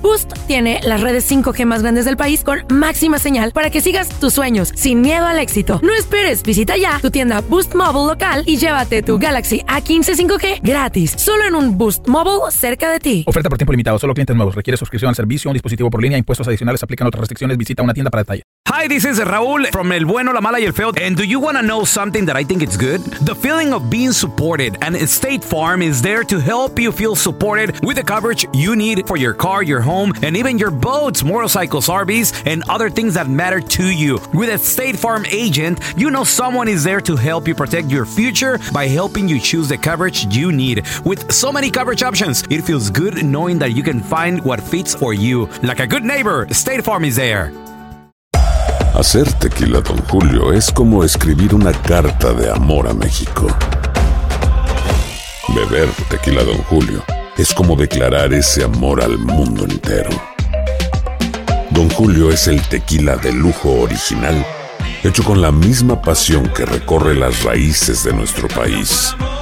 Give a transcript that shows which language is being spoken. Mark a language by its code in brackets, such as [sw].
[es] Boost tiene las redes 5G más grandes del país con máxima señal para que sigas tus sueños sin miedo al éxito. No esperes. Visita ya tu tienda Boost Mobile local y llévate tu Galaxy A15 5G gratis. Solo en un Boost Mobile cerca de ti. Oferta por tiempo limitado. Solo clientes nuevos. Requiere suscripción al servicio. Un dispositivo por línea. Impuestos adicionales. Aplican otras restricciones. Visita una tienda para detalles. [en] Hi, this is Raúl from El Bueno, La Mala y El Feo. And do you want to know something that I think it's good? The feeling of being supported, and State Farm is there to help you feel supported with the coverage you need for your car, your home, and even your boats, motorcycles, RVs, and other things that matter to you. With a State Farm agent, you know someone is there to help you protect your future by helping you choose the coverage you need. With so many coverage options, it feels good knowing that you can find what fits for you. Like a good neighbor, State Farm is there. [es] Hacer tequila Don Julio es como escribir una carta de amor a México. Beber tequila Don Julio es como declarar ese amor al mundo entero. Don Julio es el tequila de lujo original, hecho con la misma pasión que recorre las raíces de nuestro país.